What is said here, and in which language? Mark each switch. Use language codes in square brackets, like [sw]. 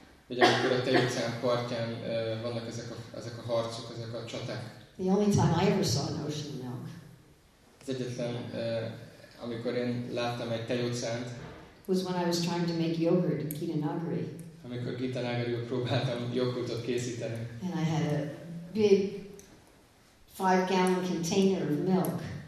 [hu] Ugye, amikor a tejutcán partján vannak ezek a harcok, ezek a csaták. [en] The only time I ever saw an ocean of milk. [hu] Az egyetlen, amikor én láttam egy tejutcánt. [en] Was when I was trying to make yogurt in Kitanagari. [hu] Amikor Gita Nagarival próbáltam joghurtot készíteni. [en] And I had a big 5-gallon container of milk.